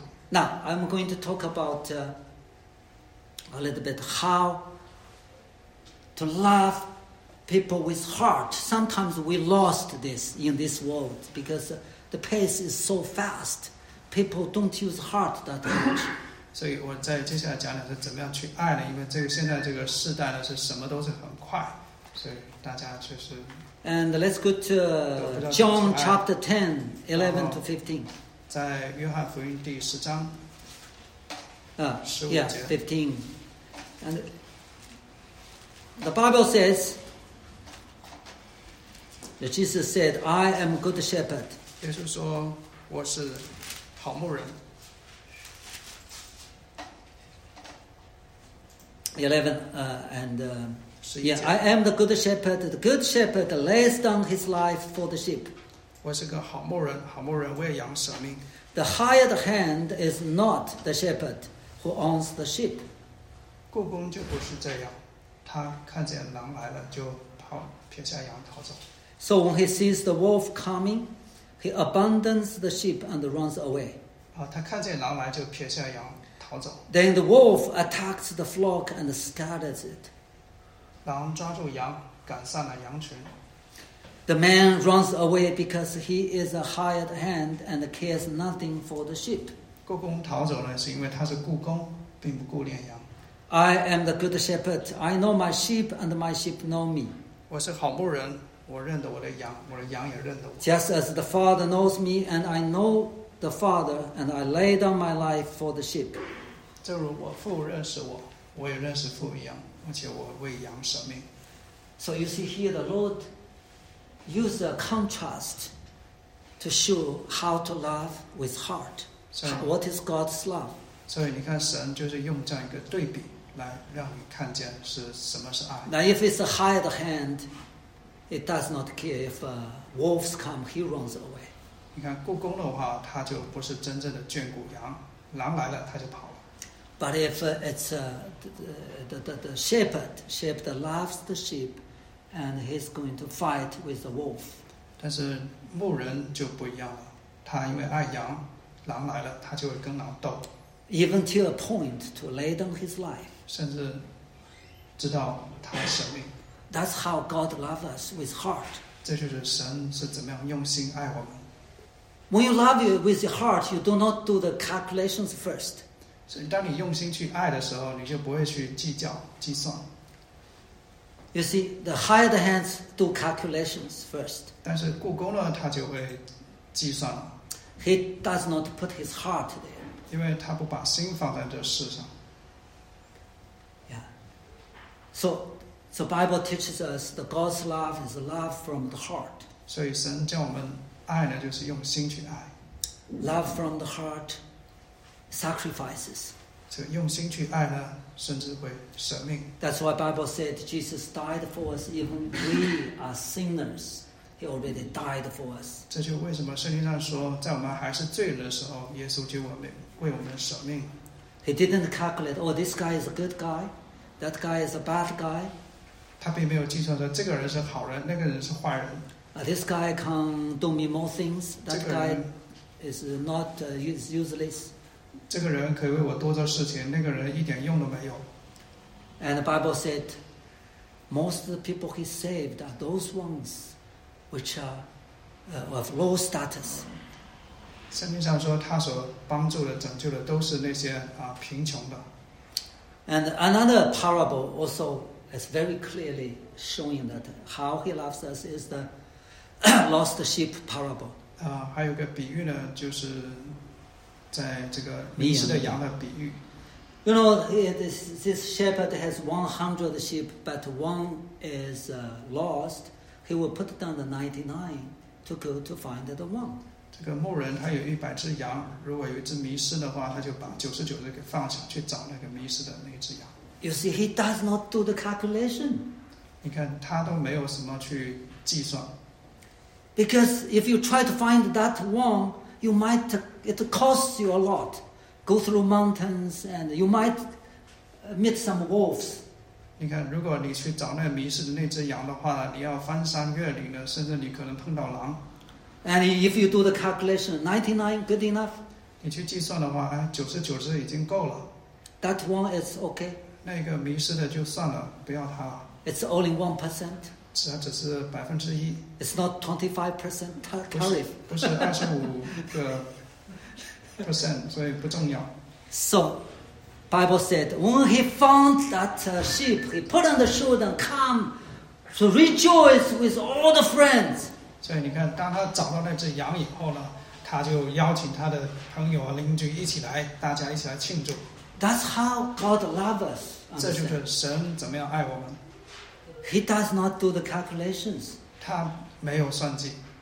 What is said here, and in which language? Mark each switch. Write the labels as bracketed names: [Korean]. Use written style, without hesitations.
[English] Now, I'm going to talk about a little bit how to love people with heart. Sometimes we lost this in this world because the pace is so fast. People don't use heart that much. [Chinese] 所以我在接下来讲的是怎么样去爱呢？因为这个现在这个时代呢，是什么都是很快，所以大家就是。 [English] And let's go to John chapter 10, 11 to 15. [Chinese] 在约翰福音第十章 [English] 15 and the Bible says that Jesus said I am a good shepherd [Chinese] 耶稣说我是好牧人 [English] I am the good shepherd the good shepherd lays down his life for the sheep [Chinese] 我是个好牧人好牧人为羊舍命 [English] The hired hand is not the shepherd who owns the sheep. [Chinese] 雇工就不是这样，他看见狼来了就跑，撇下羊逃走。 [English] So when he sees the wolf coming, he abandons the sheep and runs away. [Chinese] 他看见狼来就撇下羊逃走。 [English] Then the wolf attacks the flock and scatters it. [Chinese] 狼抓住羊，赶散了羊群。 [English] The man runs away because he is a hired hand and cares nothing for the sheep. [Chinese] 雇工逃走了是因为他是雇工，并不顾念羊。 [English] I am the good shepherd. I know my sheep and my sheep know me. [Chinese] 我是好牧人，我认得我的羊，我的羊也认得我。 [English] Just as the Father knows me and I know the Father and I lay down my life for the sheep. [Chinese] 正如我父认识我，我也认识父一样，而且我为羊舍命。 [English] So you see here the Lord... Use the contrast to show how to love with heart. So, what is God's love? [Chinese] 所以你看，神就是用这样一个对比来让你看见是什么是爱。 [English] Now, if it's a hired hand, it does not care if wolves come; he runs away. [Chinese] 你看，雇工的话，他就不是真正的眷顾羊，狼来了他就跑了。 [English] But if it's the shepherd loves the sheep. And he's going to fight with the wolf. [Chinese] 但是牧人就不一样了，他因为爱羊，狼来了，他就会跟狼斗。 [English] Even to a point to lay down his life. [Chinese] 甚至知道他的生命。 [English] That's how God loves us with heart. [Chinese] 这就是神是怎么样用心爱我们。 [English] When you love you with your heart, you do not do the calculations first. [Chinese] 所以当你用心去爱的时候，你就不会去计较计算。 [English] You see, the hired hands do calculations first. [Chinese] 但是雇工呢，他就会计算了。 [English] He does not put his heart there. [Chinese] 因为他不把心放在这事上。 [English] Yeah. So the Bible teaches us that God's love is love from the heart. [Chinese] 所以神叫我们爱呢，就是用心去爱。 [English] Love from the heart, sacrifices. [Chinese] 就用心去爱呢。甚至会舍命。 [English] That's why Bible said Jesus died for us, even we are sinners. He already died for us. [Chinese] 这就为什么圣经上说，在我们还是罪人的时候，耶稣就为我们舍命。 [English] He didn't calculate, oh, this guy is a good guy, that guy is a bad guy. [Chinese] 他并没有计算说这个人是好人，那个人是坏人。 [English] This guy can do me more things. That guy is not is useless. [Chinese] 这个人可以为我多做事情，那个人一点用都没有。 [English] And the Bible said, most of the people he saved are those ones which are of low status. [Chinese] 圣经上说，他所帮助的、拯救的都是那些啊贫穷的。 [English] And another parable also is very clearly showing that how he loves us is the lost sheep parable. [Chinese] 啊，还有个比喻呢，就是。在这个迷失的羊的比喻 [English] ，You know, this shepherd has 100 sheep, but one is lost. He will put down the 99 to go to find the one. [Chinese] 这个牧人他有100只羊，如果有一只迷失的话，他就把99只给放下去找那个迷失的那只羊。 [English] You see, he does not do the calculation. [Chinese] 你看他都没有什么去计算。 [English] Because if you try to find that one. You might, it costs you a lot. Go through mountains and you might meet some wolves. [Chinese] 你看，如果你去找那迷失的那只羊的话，你要翻山越岭的，甚至你可能碰到狼。 [English] And if you do the calculation, 99 good enough. [Chinese] 你去计算的话，99只已经够了。 [English] That one is okay. [Chinese] 那个迷失的就算了，不要它。 [English] It's only 1%. [Chinese] 只是1%。 [English] It's not 25% tariff. [Chinese] 不是25%，所以不重要。 [English] So, Bible said, when he found that sheep, he put on the shoe and come to rejoice with all the friends. [Chinese] 所以你看，当他找到那只羊以后呢，他就邀请他的朋友和邻居一起来，大家一起来庆祝。 [English] That's how God loves us. [Chinese] 这就是神怎么样爱我们。 [English] He does not do the calculations. [Chinese] 他没有算计。